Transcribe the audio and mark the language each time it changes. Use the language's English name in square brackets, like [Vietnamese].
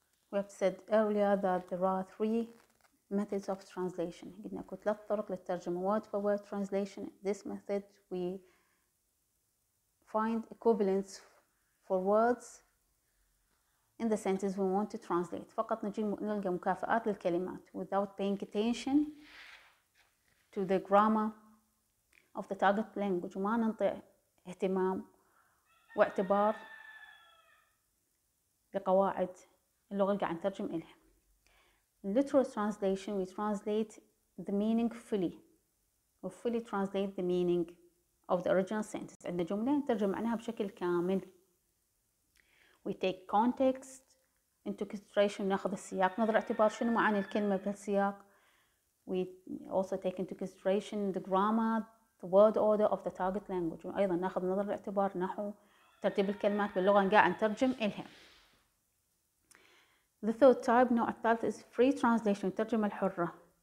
[English] We have said earlier that there are three methods of translation. [Arabic] قلنا كو ثلاث طرق للترجمة [English] word for word translation. This method we find equivalents for words in the sentence we want to translate. [Arabic] فقط نجي نلقى مكافآت للكلمات [English] without paying attention to the grammar of the target language. [Arabic] وما ننطي اهتمام واعتبار لقواعد اللغة اللي قاعد نترجم إليها. [English] Literal translation, we translate the meaning fully. We fully translate the meaning of the original sentence. [Arabic] عندنا جملة نترجم معناها بشكل كامل. [English] We take context into consideration. [Arabic] ناخذ السياق نظر اعتبار شنو معاني الكلمة بالسياق. [English] We also take into consideration the grammar, the word order of the target language. [Arabic] وأيضا ناخذ نظر الاعتبار نحو ترتيب الكلمات باللغة اللي قاعد نترجم إليها. [English] The third type, [Arabic] نوع الثالث [English] is free translation, [Arabic] ترجمة الحرة.